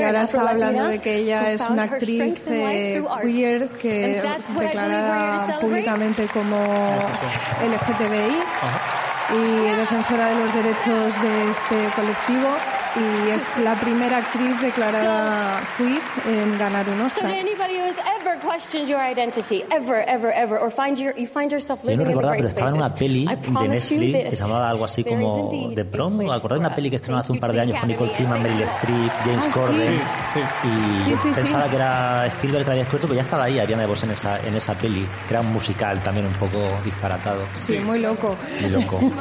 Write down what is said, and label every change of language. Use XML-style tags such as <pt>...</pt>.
<es>Y ahora está hablando de que ella es una actriz queer que declara públicamente como LGTBI y defensora de los derechos de este colectivo. Y es la primera actriz declarada queer en ganar un Oscar.</es> <en>So to anybody who has ever questioned your identity, ever, ever, ever, or find your, you find yourself living no in the gray spaces.</en> <es>Estaba en una peli de Netflix que se llamaba algo así como The Prom. ¿Acordáis una peli que estrenó hace un par de años con Nicole Kidman, Meryl Streep, James Corden? Sí, sí. Y pensaba que era Spielberg que la había escrito, pero ya estaba ahí Ariana DeBose en esa peli, que era un musical también un poco disparatado. Sí, muy loco. Muy loco.</es>